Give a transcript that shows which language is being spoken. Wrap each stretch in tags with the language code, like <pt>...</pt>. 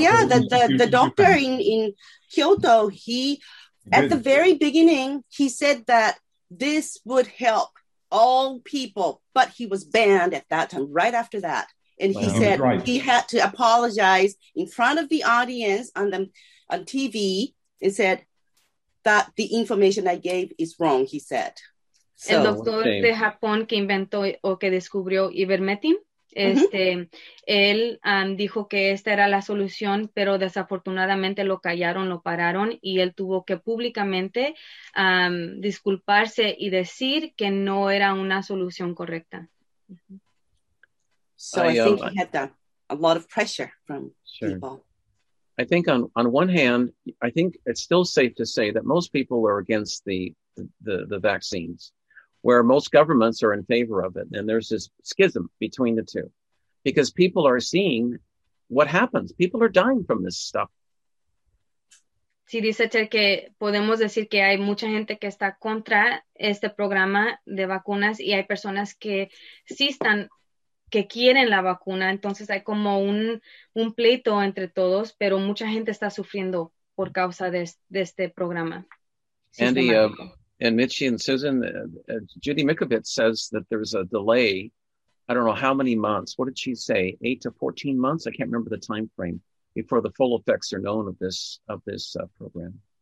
<en>Yeah, the doctor in Kyoto, he, at the very beginning, he said that this would help all people, but he was banned at that time, right after that. And he said he had to apologize in front of the audience on TV and said that the information I gave is wrong, he said.</en> <es>So, el doctor de Japón que inventó o que descubrió ivermectin, él dijo que esta era la solución, pero desafortunadamente lo callaron, lo pararon, y él tuvo que públicamente disculparse y decir que no era una solución correcta.</es> <en>So I think he had a lot of pressure from people. I think on one hand, I think it's still safe to say that most people are against the vaccines, where most governments are in favor of it. And there's this schism between the two because people are seeing what happens. People are dying from this stuff.</en> <es>Sí, dice Ted que podemos decir que hay mucha gente que está contra este programa de vacunas y hay personas que sí están, que quieren la vacuna. Entonces hay como un pleito entre todos, pero mucha gente está sufriendo por causa de este programa.</es> <en>And Mitchie and Susan, Judy Mikovits says that there's a delay. I don't know how many months. What did she say? 8 to 14 months? I can't remember the time frame before the full effects are known of this program.</en>